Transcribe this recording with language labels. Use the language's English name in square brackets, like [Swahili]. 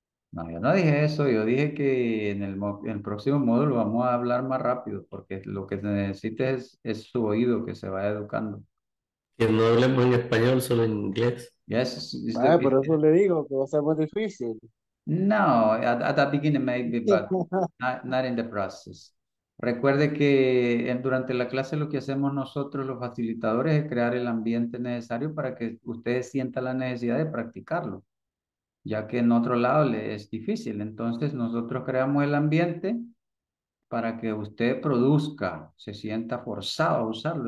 [Spanish] No, yo no dije eso. Yo dije que en el próximo módulo vamos a hablar más rápido porque lo que se necesita es su oído que se vaya educando. Que no hablemos en español, solo en inglés. [English] Yes. [Spanish] Por eso le digo que va a ser más difícil. [English] No, at the beginning maybe, but not in the process. [Spanish] Recuerde que durante la clase lo que hacemos nosotros los facilitadores es crear el ambiente necesario para que ustedes sientan la necesidad de practicarlo, ya que en otro lado le es difícil. Entonces nosotros creamos el ambiente para que usted produzca, se sienta forzado a usarlo.